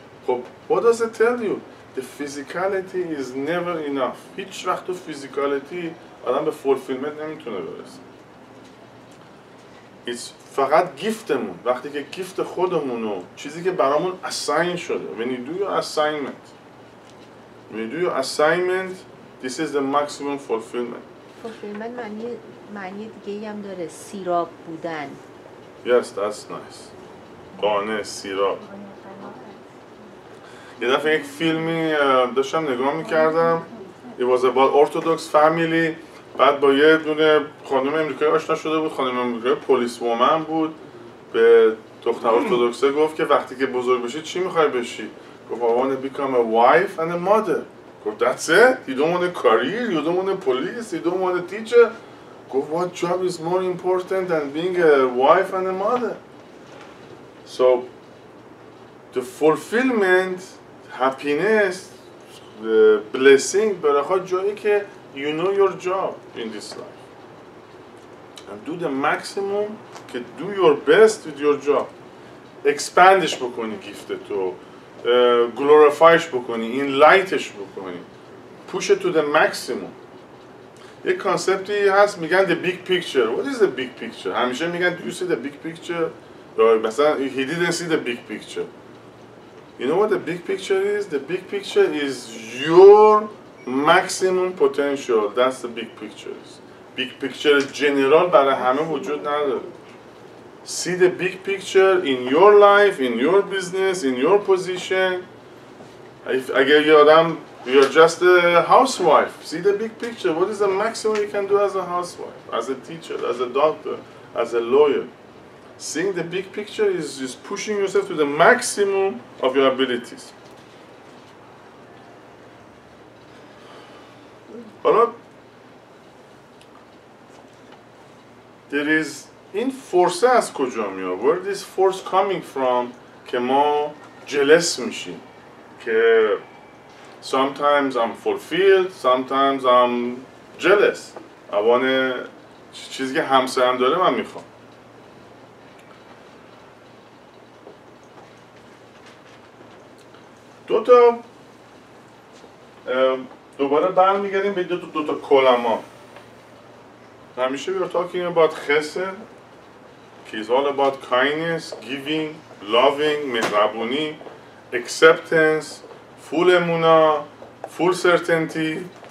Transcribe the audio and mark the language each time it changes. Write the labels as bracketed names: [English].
[English] خب what does it tell you? The physicality is never enough. [Persian] هیچ وقت تو [English] physicality [Persian] آدم به فولفیلمنت نمیتونه برسه. [English] it's [Persian] فقط گیفتمون، وقتی که گیفت خودمونو، چیزی که برامون اساین شده، [English] when you do your assignment، when you do your assignment this is the maximum fulfillment. [Persian] فولفیلمنت معنی دیگه ای هم داره، سیراب بودن. [English] Yes, that's nice. [Persian] قانه سیراب. یه دفعه یک فیلمی داشتم نگاه میکردم، [English] It was about orthodox family. [Persian] بعد با یه دونه خانم امریکایی آشنا شده بود، خانم امریکایی پلیس وومن بود، به دختر ارتدوکسه گفت که وقتی که بزرگ بشی چی میخوای بشی؟ گفت [English] I want to become a wife and a mother. گفت That's it. You don't want a career, you don't want a police, you don't want a teacher. گفت What job is more important than being a wife and a mother? So the fulfillment, happiness, the blessing [Persian] برای جایی که [English] you know your job in this life and do the maximum که do your best with your job. Expandش بکنی گیفتتو، glorifyش بکنی، enlightش بکنی، push it to the maximum. [Persian] یه کانسپتی هست میگن [English] the big picture. What is the big picture؟ [Persian] همیشه میگن [English] do you see the big picture؟ مثلا he didn't see the big picture. You know what the big picture is? The big picture is your maximum potential. That's the big picture. Big picture general [Persian] برای همه وجود نداره. [English] See the big picture in your life, in your business, in your position. If [Persian] اگر یه آدم [English] you're just a housewife, see the big picture. What is the maximum you can do as a housewife, as a teacher, as a doctor, as a lawyer? Seeing the big picture is pushing yourself to the maximum of your abilities. حالا there is [Persian] این فورسه از کجا میاد؟ [English] Where this force coming from [Persian] که ما جلس میشیم؟ [English] که sometimes I'm fulfilled, sometimes I'm jealous. [Persian] اوانه چیزی که همسایه هم داره من میخوام. دو تا دوباره برمیگردیم به دو تا کلما. [English] همیشه we are talking about chesed که is all about kindness, giving, loving, مهربونی, acceptance, full emuna, full certainty.